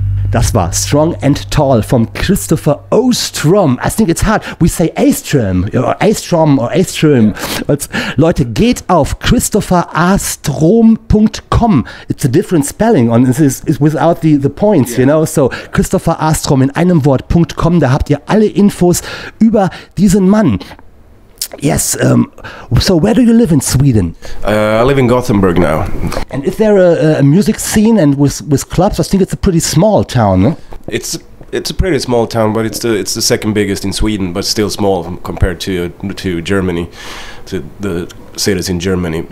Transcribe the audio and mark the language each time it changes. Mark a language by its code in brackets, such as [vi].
[de] Das war Strong and Tall vom Christopher Ostrom. [en] I think it's hard. We say Astrom. Or Astrom or Astrom. [de] Leute, geht auf christopherastrom.com. [en] It's a different spelling and this is without the points, yeah. You know. [de] So christopherastrom in einem Wort.com. Da habt ihr alle Infos über diesen Mann. [en] Yes, so where do you live in Sweden? I live in Gothenburg now. And is there a music scene and with clubs? I think it's a pretty small town. It's a pretty small town, but it's the second biggest in Sweden, but still small compared to Germany, to the cities in Germany.